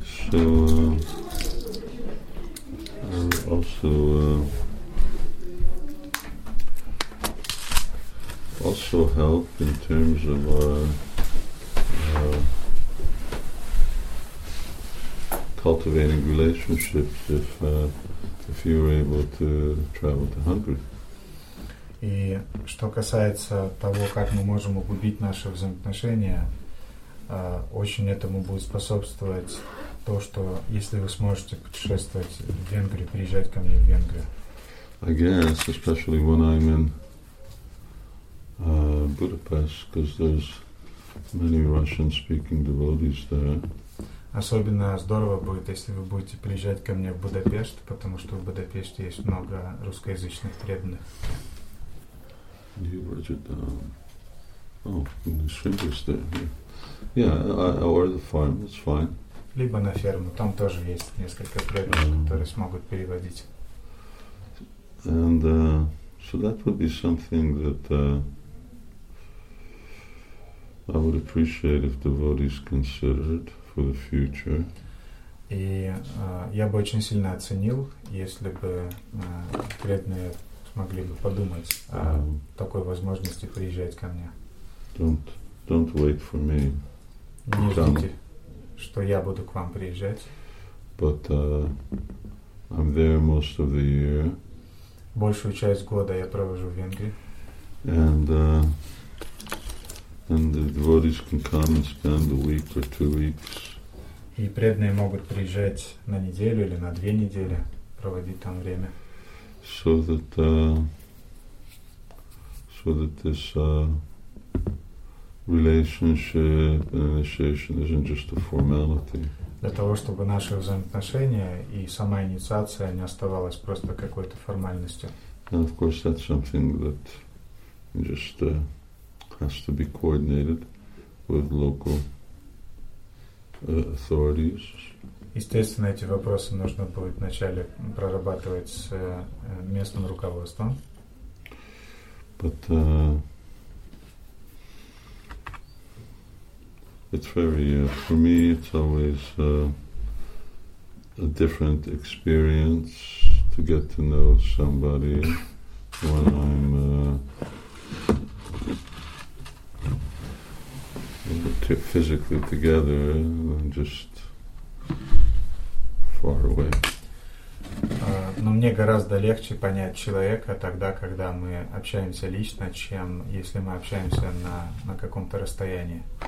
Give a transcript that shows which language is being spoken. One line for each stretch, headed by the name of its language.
English: So also help in terms of cultivating relationships if you were able to travel to Hungary.
Russian: И что касается того, как мы можем углубить наши взаимоотношения, очень этому будет способствовать то, что если вы сможете путешествовать в Венгрию, приезжать ко мне в Венгрию.
English: I guess, especially when I'm in Budapest, because there's many Russian-speaking devotees there.
Russian: Особенно здорово будет, если вы будете приезжать ко мне в Будапешт, потому что в Будапеште есть много русскоязычных преданных.
English: You wrote it down. Oh, in the shingles there. Yeah, or the farm, that's fine.
Russian: Либо на ферму, там тоже есть несколько преданных, которые смогут переводить.
English: And so that would be something that I would appreciate if devotees considered. For the future.
Russian: И я бы очень сильно оценил, если бы преданные смогли бы подумать о такой возможности приезжать ко мне.
English: Don't wait for me.
Russian: Не ждите, что я буду к вам приезжать.
English: But I'm there most of the year.
Russian: Большую часть года я провожу в Венгрии.
English: And the devotees can come and spend a week or 2 weeks.
Russian: И преданные могут приезжать на неделю или на две недели, проводить там время.
English: So that this relationship and initiation isn't just a formality.
Russian: Для того, чтобы наши взаимоотношения и сама инициация не оставалась просто какой-то формальностью.
English: And of course that's something that just has to be coordinated with local authorities.
Russian: Естественно, эти вопросы нужно будет вначале прорабатывать с местным руководством.
English: But it's very for me it's always a different experience to get to know somebody when I'm physically together and just far away.
Russian: Но мне гораздо легче понять человека тогда, когда мы общаемся лично, чем если мы общаемся на каком-то расстоянии.